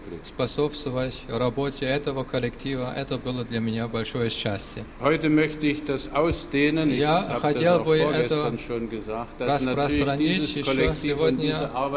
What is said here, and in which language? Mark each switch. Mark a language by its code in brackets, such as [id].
[ru] способствовать работе этого коллектива, это было для меня большое счастье. [de] Heute möchte ich das ausdehnen. [ru] Я хотел бы это распространить еще сегодня,